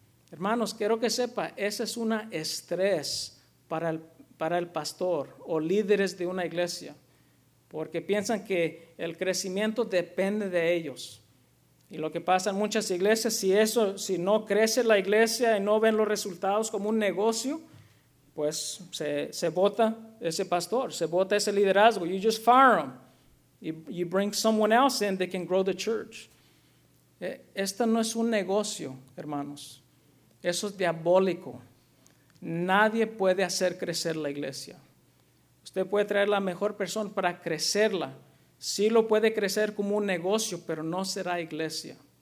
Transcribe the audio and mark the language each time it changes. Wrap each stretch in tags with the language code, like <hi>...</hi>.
<es>Hermanos, quiero que sepa, ese es un estrés para el pastor o líderes de una iglesia, porque piensan que el crecimiento depende de ellos. Y lo que pasa en muchas iglesias, si no crece la iglesia y no ven los resultados como un negocio, pues se bota ese pastor, se bota ese liderazgo.</es> <en>You just fire them. You bring someone else in that can grow the church.</en> <es>Esto no es un negocio, hermanos. Eso es diabólico. Nadie puede hacer crecer la iglesia. Usted puede traer la mejor persona para crecerla. Sí lo puede crecer como un negocio, pero no será iglesia.</es>